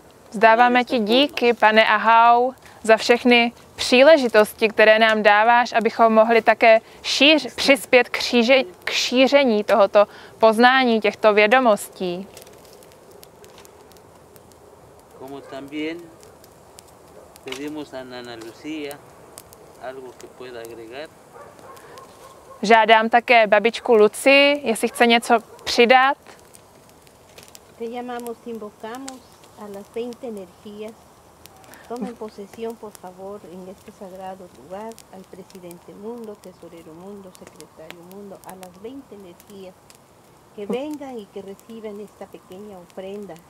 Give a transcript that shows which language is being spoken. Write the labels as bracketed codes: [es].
[cs] Vzdáváme ti díky, pane Ahau, za všechny příležitosti, které nám dáváš, abychom mohli také přispět k šíření tohoto poznání, těchto vědomostí. [es] Como también pedimos a Ana Lucía algo que pueda agregar. [cs] Žádám také babičku Luci, jestli chce něco přidat. [es] Te llamamos, invocamos a las 20 energías. Tomen posesión, por favor, en este sagrado lugar, al presidente mundo, tesorero mundo, secretario mundo, a las 20 energías que vengan y que reciban esta pequeña ofrenda.